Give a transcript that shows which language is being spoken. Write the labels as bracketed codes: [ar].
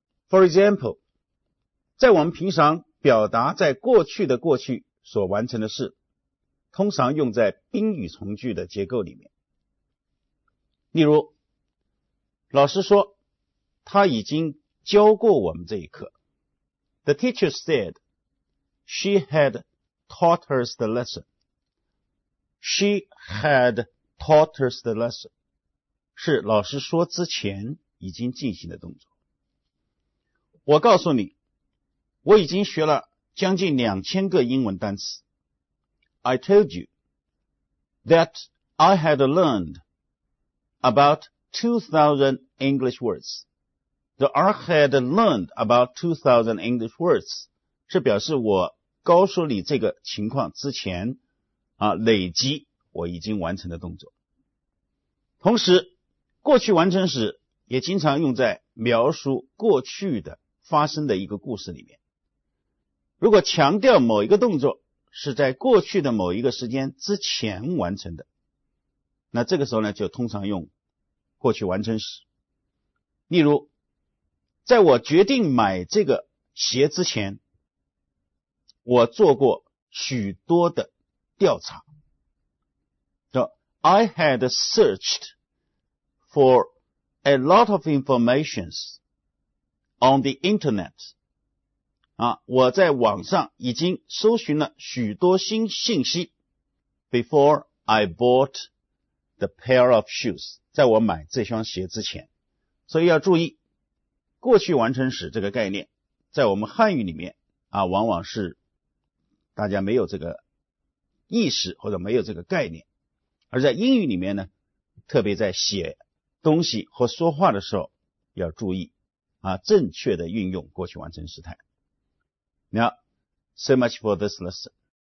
[en] For example， [zh] 在我们平常表达在过去的过去所完成的事，通常用在宾语从句的结构里面。例如老师说他已经教过我们这一课。 [en] The teacher said she had taught us the lesson. She had taught us the lesson [zh] 是老师说之前已经进行的动作。我告诉你，我已经学了将近2000个英文单词。 [en] I told you that I had learned about 2,000 English words. [zh] The [en] I had learned about 2,000 English words [zh] 是表示我告诉你这个情况之前啊，累积我已经完成的动作。同时，过去完成时也经常用在描述过去的发生的一个故事里面。如果强调某一个动作是在过去的某一个时间之前完成的，那这个时候呢就通常用过去完成时。例如在我决定买这个鞋之前，我做过许多的调查。 [en] So, I had searched for a lot of information on the internet [zh] 我在网上已经搜寻了许多新信息 [en] before I bought the pair of shoes， [zh] 在我买这双鞋之前。所以要注意过去完成时这个概念在我们汉语里面往往是大家没有这个意识或者没有这个概念，而在英语里面呢，特别在写东西或说话的时候要注意正确的运用过去完成时态。 [en] Now, so much for this lesson.